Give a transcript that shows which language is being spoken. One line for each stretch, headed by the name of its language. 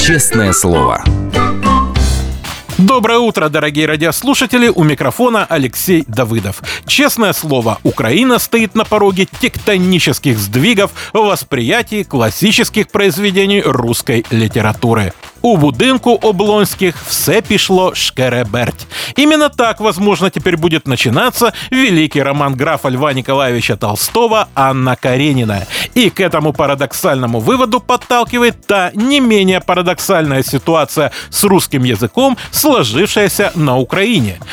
Russian: Честное слово. Доброе утро, дорогие радиослушатели, у микрофона Алексей Давыдов. Честное слово, Украина стоит на пороге тектонических сдвигов в восприятии классических произведений русской литературы.
Ukrainian: У будинку Облонських все пішло шкереберть.
Russian: Именно так, возможно, теперь будет начинаться великий роман графа Льва Николаевича Толстого «Анна Каренина». И к этому парадоксальному выводу подталкивает та не менее парадоксальная ситуация с русским языком, сложившаяся на Украине.